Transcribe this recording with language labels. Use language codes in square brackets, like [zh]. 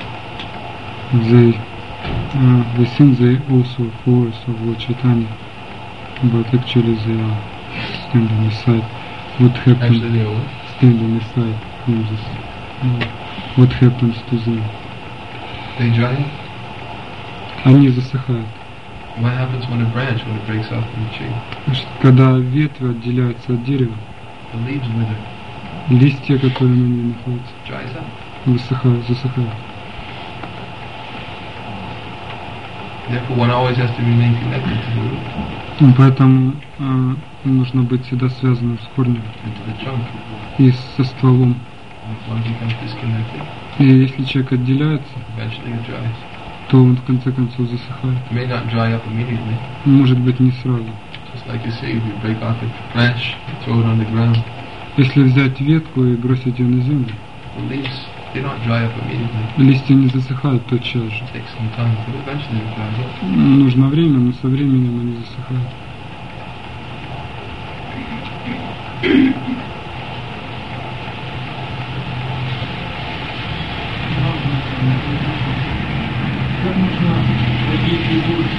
[en] We think they also force of Lord Chaitanya, but actually they are standing aside. What happens? Standing aside from this. What happens to them? They dry. [ru] Они засыхают. [en] What happens when a branch when it breaks off from the tree? [ru] Когда ветви отделяются от дерева. [en] The leaves wither. [ru] Листья, которые на ней находятся. [en] Dries up. [ru] Высыхают, засыхают. [en] Therefore, one always has to remain connected to the root. [ru] Поэтому нужно быть всегда связанным с корнем. [en] Into the trunk. [ru] И со стволом. [en] One becomes disconnected. [ru] И если человек отделяется, [en] eventually it dries. [ru] То он в конце концов засыхает. [en] May not dry up immediately. [ru] Может быть не сразу. [en] Just like you say, if you break off a branch, throw it on the ground. [ru] Если взять ветку и бросить ее на землю. [en] The leaves. They don't dry up immediately. [ru] Листья не засыхают тотчас же. [en] Takes some time, but eventually it dries up. [ru] Нужно время, но со временем они засыхают. Как можно ходить и будет,